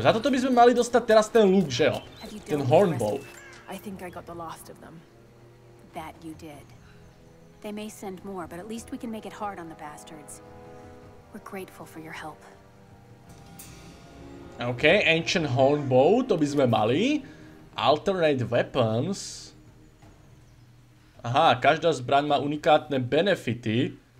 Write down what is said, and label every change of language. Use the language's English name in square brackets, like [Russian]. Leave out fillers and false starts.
[Slovak] Za toto by sme mali dostať teraz ten look, že jo? Ten hornbow. [English] I think I got the last of them. That you did. They may send more, but at least we can make it hard on the bastards. We're grateful for your help. [Slovak] OK, ancient hornbow, to by sme mali. [English] Alternate weapons. [Slovak] Aha, každá zbraň má unikátne benefity.